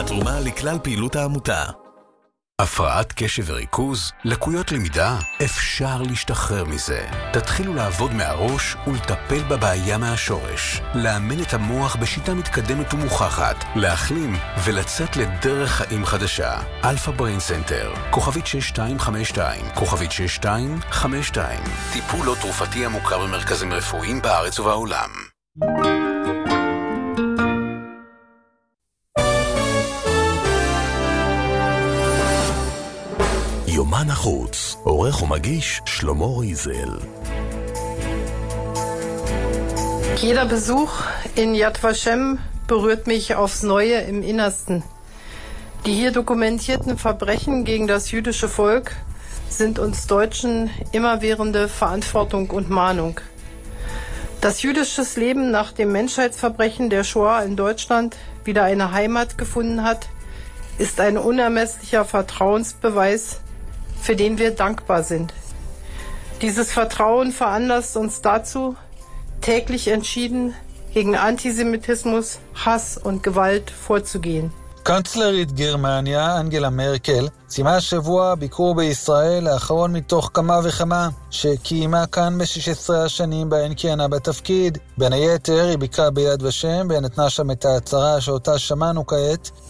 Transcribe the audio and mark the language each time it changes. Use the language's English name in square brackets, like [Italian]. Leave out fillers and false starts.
[Hebrew] התרומה לכלל פעילות העמותה. הפרעת קשב וריכוז, לקויות למידה, אפשר להשתחרר מזה. תתחילו לעבוד מהראש ולטפל בבעיה מהשורש. לאמן את המוח בשיטה מתקדמת ומוכחת, להחלים ולצאת לדרך חיים חדשה. Alpha Brain Center, כוכבית 6252, כוכבית 6252. טיפול לא תרופתי המוכר במרכזים רפואיים בארץ ובעולם. יומן החוץ, עורך ומגיש שלמה ריזל. [German] Jeder Besuch in Yad Vashem berührt mich aufs Neue im Innersten. Die hier dokumentierten Verbrechen gegen das jüdische Volk sind uns Deutschen immerwährende Verantwortung und Mahnung. Dass jüdisches Leben nach dem Menschheitsverbrechen der Shoah in Deutschland wieder eine Heimat gefunden hat, ist ein unermesslicher Vertrauensbeweis, für den wir dankbar sind. Dieses Vertrauen veranlasst uns dazu, täglich entschieden gegen Antisemitismus, Hass und Gewalt vorzugehen. [Hebrew] קנצלרית גרמניה, אנגלה מרקל, סיימה השבוע ביקור בישראל האחרון מתוך כמה וכמה שקיימה כאן ב-16 השנים בהן כיהנה בתפקיד. בין היתר היא ביקרה ביד ושם ונתנה שם את ההצהרה שאותה שמענו כעת.